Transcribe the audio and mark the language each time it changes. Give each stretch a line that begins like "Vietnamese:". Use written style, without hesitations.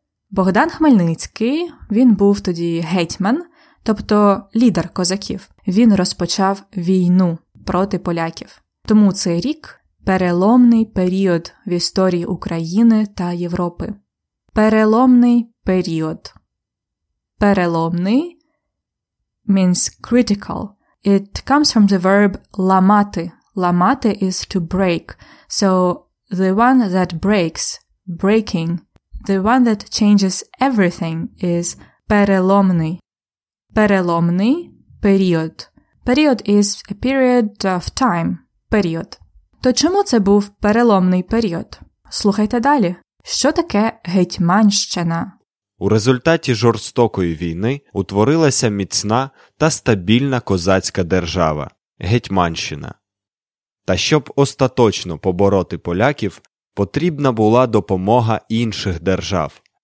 Ukrainian: Богдан Хмельницький, він був тоді гетьман, тобто лідер козаків. Він розпочав війну проти поляків. Тому цей рік – переломний період в історії України та Європи. Переломний період.
English: Переломний – means critical. It comes from the verb ламати. Ламати is to break. So the one that breaks, breaking, the one that changes everything is переломний.
Ukrainian: Переломний – період.
English: Період is a period of time.
Ukrainian: Період. То чому це був переломний період? Слухайте далі. Що таке гетьманщина? У результаті жорстокої війни утворилася міцна та стабільна козацька держава – Гетьманщина. Та щоб остаточно побороти поляків, потрібна була допомога інших держав.